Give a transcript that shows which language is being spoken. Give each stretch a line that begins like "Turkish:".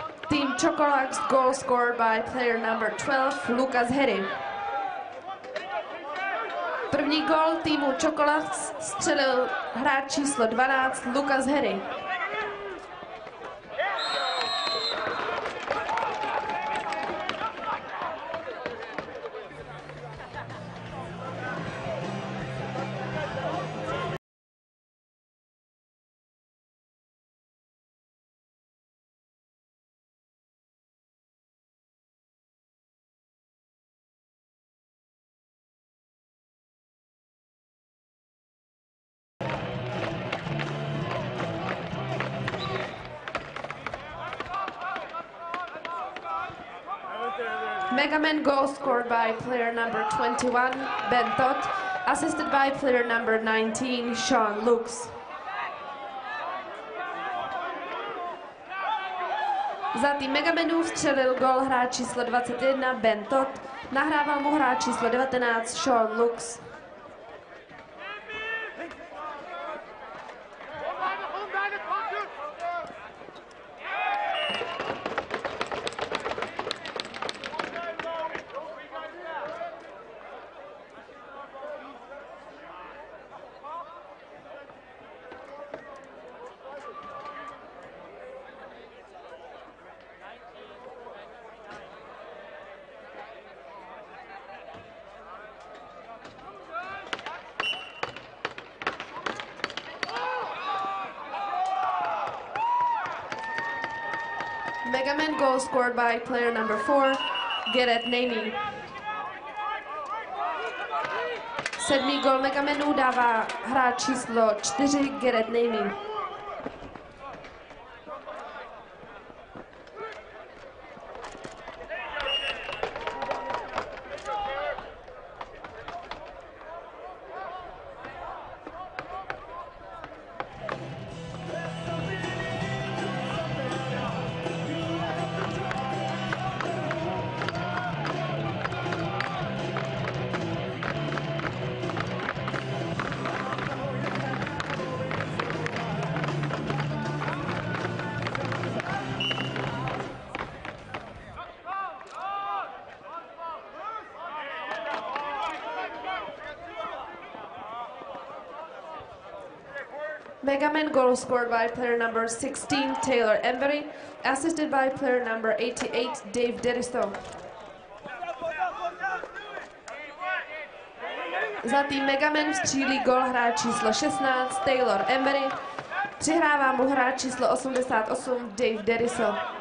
English: Team Chocolate's goal scored by player number 12, Lukas Hery.
Czech: První gól týmu Chocolate střelil hráč číslo 12, Lukas Hery.
English: Megaman goal scored by player number 21, Ben Todd, assisted by player number 19, Sean Lukes.
Czech: Za tým Megamanů střelil gól hráč číslo 21, Ben Todd, nahrával mu hráč číslo 19, Sean Lukes.
English: Megaman goal scored by player number 4, Gerrit Neyny.
Czech: Sedmý gól Megamanů dává hráč číslo 4, Gerrit Neyny.
English: Megaman goal scored by player number 16, Taylor Embry, assisted by player number 88, Dave Deristo.
Czech: Za tým Megaman střílí gól hráč číslo 16, Taylor Embry, přihrává mu hráč číslo 88, Dave Deristo.